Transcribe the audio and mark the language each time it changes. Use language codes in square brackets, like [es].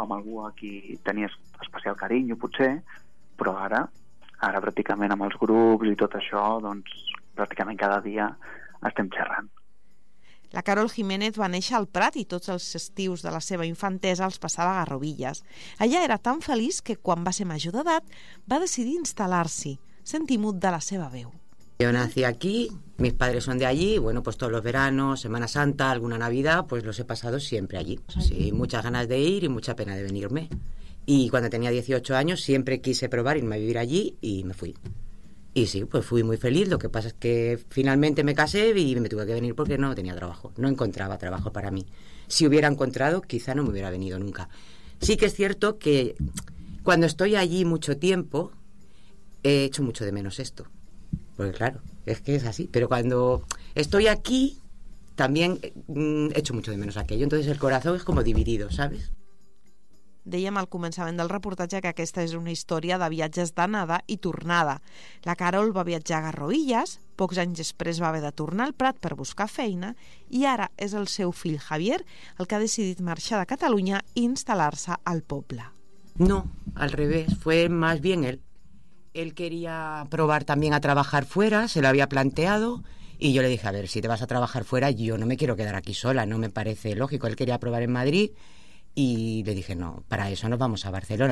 [ca] Amb algú a qui tenies especial carinyo, potser, però ara pràcticament amb els grups i tot això, doncs pràcticament cada dia estem xerrant. La Carol Jiménez va néixer al Prat i tots els estius de la seva infantesa els passava a Garrovilles. Allà era tan feliç que quan va ser major d'edat va decidir instal·lar-s'hi, sentimut de la seva veu. [es] Yo nací aquí, mis padres son de allí, bueno, pues todos los veranos, Semana Santa, alguna Navidad, pues los he pasado siempre allí. Sí, muchas ganas de ir y mucha pena de venirme. Y cuando tenía 18 años siempre quise probar irme a vivir allí y me fui. Y sí, pues fui muy feliz, lo que pasa es que finalmente me casé y me tuve que venir porque no tenía trabajo, no encontraba trabajo para mí. Si hubiera encontrado, quizá no me hubiera venido nunca. Sí que es cierto que cuando estoy allí mucho tiempo, he hecho mucho de menos esto. Porque claro, es que es así. Pero cuando estoy aquí, también echo mucho de menos aquello. Entonces el corazón es como dividido, ¿sabes? [ca] Dèiem al començament del reportatge que aquesta és una història de viatges d'anada i tornada. La Carol va viatjar a Garrovilles, pocs anys després va haver de tornar al Prat per buscar feina i ara és el seu fill Javier el que ha decidit marxar de Catalunya i instal·lar-se al poble. [es] No, al revés, fue más bien él. Él quería probar también a trabajar fuera, se lo había planteado y yo le dije, a ver, si te vas a trabajar fuera, yo no me quiero quedar aquí sola, no me parece lógico. Él quería probar en Madrid y le dije, no, para eso nos vamos a Barcelona.